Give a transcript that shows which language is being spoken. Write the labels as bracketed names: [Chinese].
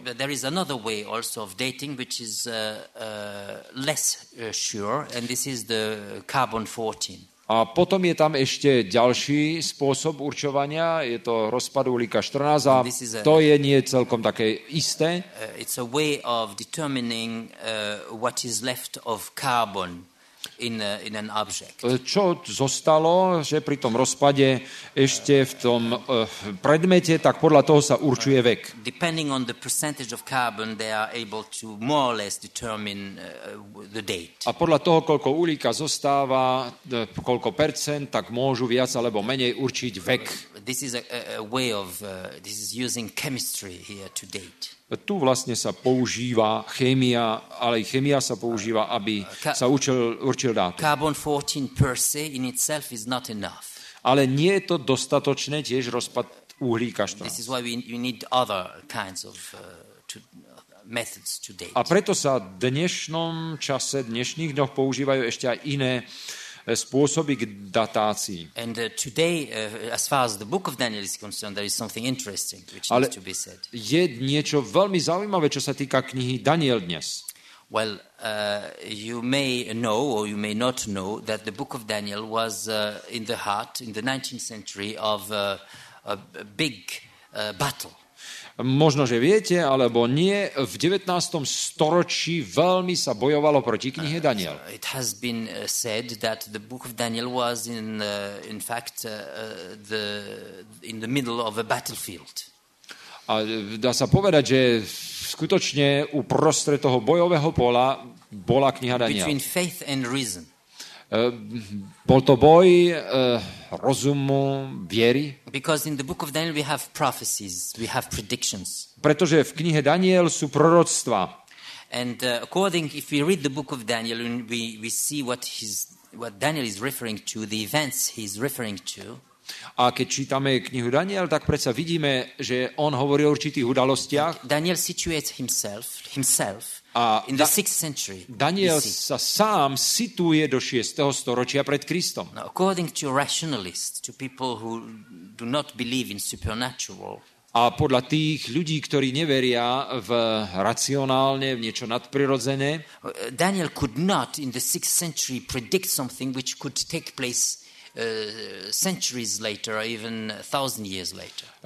[English] There is another way also of dating, which is less sure, and this is the carbon 14. [Slovak] A potom je tam ešte ďalší spôsob určovania, je to rozpad uhlíka 14 a to je nie celkom také isté. [English] It's a way of determining what is left of carbon in an object. [Slovak] Čo zostalo, že pri tom rozpade ešte v tom predmete, tak podľa toho sa určuje vek. [English] Depending on the percentage of carbon, they are able to more or less determine the date. [Slovak] A podľa toho, koľko uhlíka zostáva, koľko percent, tak môžu viac alebo menej určiť vek. [English] This is a way of this is using chemistry here to date. [Slovak] Tu vlastne sa používa chémia, ale aj chémia sa používa, aby sa určil dátum. [English] Carbon 14 per se in itself is not enough. [Slovak] Ale nie je to dostatočné tiež rozpad uhlíka 14. [English] This is why we need other kinds of methods to date. [Slovak] A preto sa v dnešnom čase, dnešných dňoch používajú ešte aj iné spôsoby k datácii. [English] And today as far as the book of Daniel is concerned there is something interesting which needs to be said. [Slovak] Je niečo veľmi zaujímavé čo sa týka knihy Daniel dnes. [English] Well, you may know or you may not know that the book of Daniel was in the heart in the 19th century of a big battle. [Slovak] Možno, že viete, alebo nie, v 19. storočí veľmi sa bojovalo proti knihe Daniel. [English] It has been said that the book of Daniel was in the middle of a battlefield. [Slovak] A dá sa povedať, že skutočne uprostred toho bojového pola bola kniha Daniel. [English] Between faith and reason. [Slovak] Bol to boj rozumu, viery. [English] Because in the book of Daniel we have prophecies, we have predictions. [Slovak] Pretože v knihe Daniel sú proroctvá. [English] And according if we read the book of Daniel we see what Daniel is referring to, the events he is referring to. [Slovak] A keď čítame knihu Daniel, tak predsa vidíme, že on hovorí o určitých udalostiach. [English] Daniel situates himself in the 6th century. [Slovak] Daniel sa sám situuje do 6. storočia pred Kristom. [English] Now, according to rationalists, to people who do not believe in supernatural. [Slovak] A podľa tých ľudí, ktorí neveria v racionálne, v niečo nadprirodzené, [English] Daniel could not in the 6th century predict something which could take place centuries later or even thousand years later.